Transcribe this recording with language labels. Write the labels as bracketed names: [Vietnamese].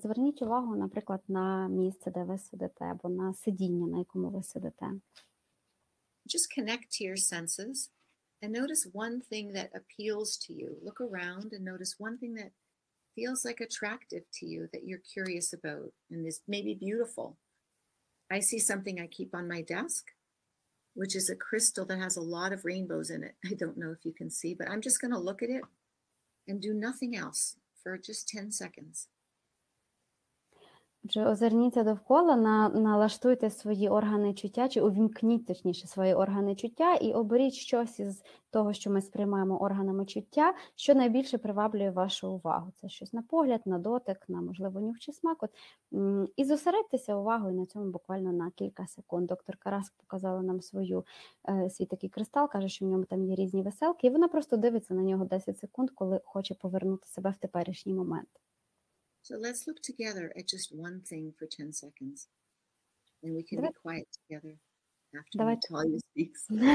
[Ukrainian] Зверніть увагу, наприклад, на місце, де ви сидите, або на сидіння, на якому ви сидите. [English] Just connect to your senses and notice one thing that appeals to you. Look around and notice one thing that feels like attractive to you, that you're curious about and is maybe beautiful. I see something I keep on my desk, which is a crystal that has a lot of rainbows in it. I don't know if you can see, but I'm just going to look at it and do nothing else for just 10 seconds. [Ukrainian] Отже, озирніться довкола, налаштуйте свої органи чуття, чи увімкніть, точніше, свої органи чуття, і оберіть щось із того, що ми сприймаємо органами чуття, що найбільше приваблює вашу увагу. Це щось на погляд, на дотик, на, можливо, нюх чи смак. От, і зосередьтеся увагою на цьому буквально на кілька секунд. Доктор Караск показала нам свою свій такий кристал, каже, що в ньому там є різні веселки, і вона просто дивиться на нього 10 секунд, коли хоче повернути себе в теперішній момент. [English] So let's look together at just one thing for 10 seconds. And we can be quiet together after Natalia speaks.